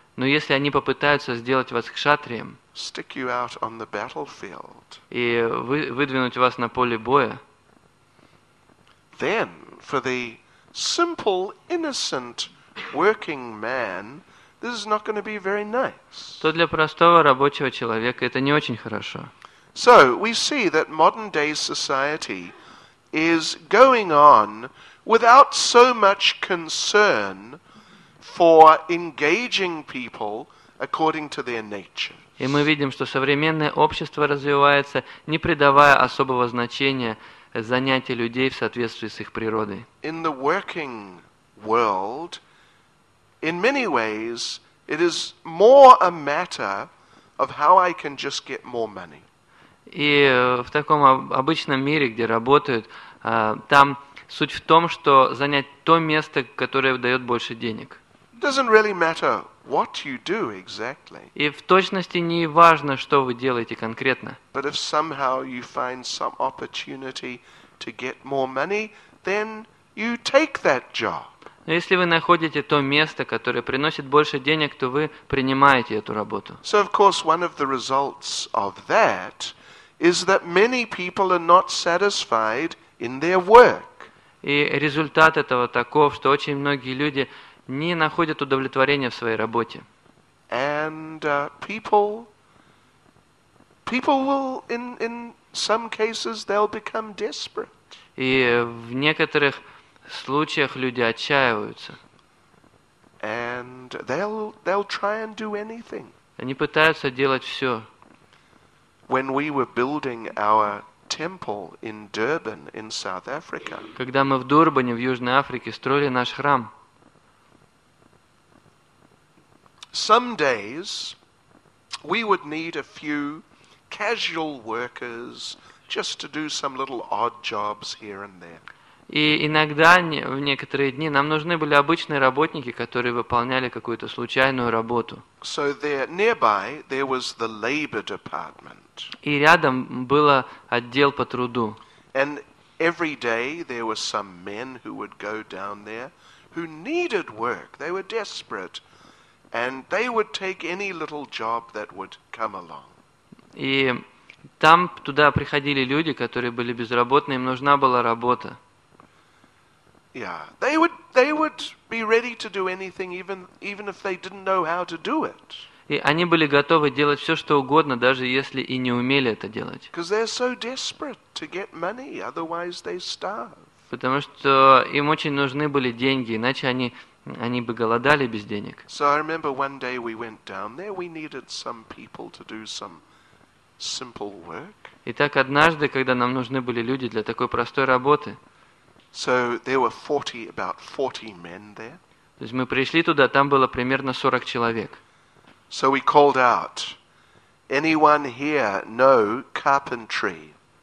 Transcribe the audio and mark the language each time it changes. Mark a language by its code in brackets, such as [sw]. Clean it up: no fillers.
[ru] Но если они попытаются сделать вас кшатрием. [en] Stick you out on the battlefield. [ru] И выдвинуть вас на поле боя. [en] Then, for the simple, innocent, working man, this is not going to be very nice. [ru] То для простого рабочего человека это не очень хорошо. [en] So we see that modern day society is going on without so much concern for engaging people according to their nature. [ru] И мы видим, что современное общество развивается, не придавая особого значения занятия людей в соответствии с их природой. [en] In the working world, in many ways, it is more a matter of how I can just get more money. [ru] И в таком обычном мире, где работают, там суть в том, что занять то место, которое дает больше денег. [en] It doesn't really matter what you do exactly. [ru] И в точности не важно, что вы делаете конкретно. [en] But if somehow you find some opportunity to get more money, then you take that job. [ru] Но если вы находите то место, которое приносит больше денег, то вы принимаете эту работу. [en] So of course one of the results of that is that many people are not satisfied in their work. [ru] И результат этого таков, что очень многие люди не находят удовлетворения в своей работе. [en] And people will in some cases they'll become desperate. [ru] И в некоторых случаях люди отчаиваются. [en] And they'll try and do anything. [ru] Они пытаются делать все. [en] When we were building our temple in Durban in South Africa. [ru] Когда мы в Дурбане в Южной Африке строили наш храм. [en] Some days we would need a few casual workers just to do some little odd jobs here and there. [ru] И иногда в некоторые дни нам нужны были обычные работники, которые выполняли какую-то случайную работу. [en] So there nearby there was the labor department. [ru] И рядом было отдел по труду. [en] And every day there were some men who would go down there who needed work. They were desperate. And they would take any little job that would come along. [ru] И там туда приходили люди, которые были безработны, им нужна была работа. [en] Yeah, they would be ready to do anything, even if they didn't know how to do it. [ru] И они были готовы делать все, что угодно, даже если и не умели это делать. [en] Because they're so desperate to get money, otherwise they starve. [ru] Потому что им очень нужны были деньги, иначе они бы голодали без денег. [en] So I remember one day we went down there, we needed some people to do some simple work. [ru] Итак, однажды, когда нам нужны были люди для такой простой работы. [en] So there were 40, about 40 men there. [ru] То есть мы пришли туда, там было примерно 40 человек. [en] So we called out, anyone here know carpentry?